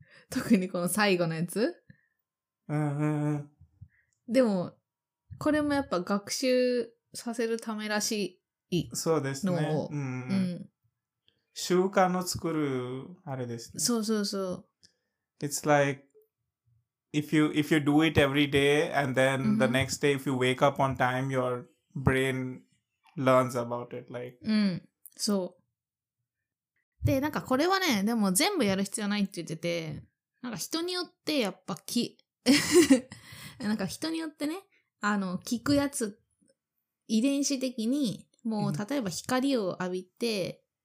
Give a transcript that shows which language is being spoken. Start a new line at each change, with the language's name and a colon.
Japanese: 特にこの最後のやつ。でも、これもやっぱ学習させるためらしいのを。そうですね。うん。習慣の作る、あれですね。そうそうそう。
English: It's like, if you do it every day, and then the next day, if you wake up on time, your brain learns about it, like.
Japanese: うん。そう。で、なんかこれはね、でも全部やる必要ないって言ってて、なんか人によってやっぱ気、なんか人によってね、あの、聞くやつ、遺伝子的に、もう、例えば光を浴びて、